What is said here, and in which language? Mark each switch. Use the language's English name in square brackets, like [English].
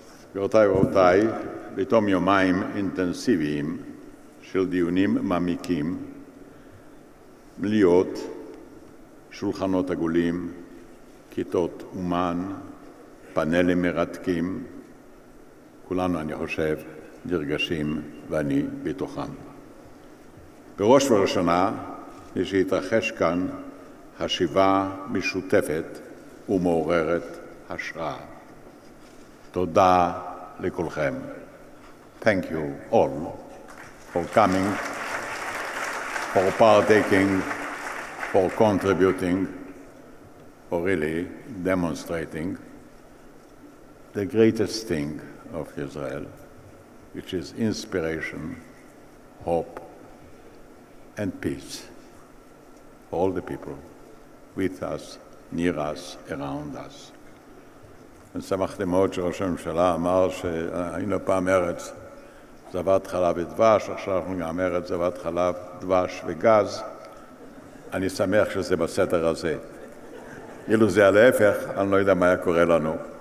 [Hebrew] גבירותיי ורבותיי, בתום יומיים אינטנסיביים של דיונים מעמיקים, מליאות, שולחנות עגולים, כיתות אומן, פאנלים מרתקים, כולנו, אני חושב, נרגשים, ואני בתוכם. בראש ובראשונה, משהתרחש כאן חשיבה משותפת ומעוררת השראה. תודה לכולכם. [English] Thank you all for coming, for partaking, for contributing, for really demonstrating the greatest thing of Israel, which is inspiration, hope, and peace for all the people with us, near us, around us. [Hebrew] And שמחתי מאוד שראש הממשלה אמר שהיינו פעם ארץ זבת חלב ודבש, עכשיו אנחנו גם ארץ זבת חלב, דבש וגז. אני שמח שזה בסדר הזה. אילו זה על ההפך, אני לא יודע מה היה קורה לנו.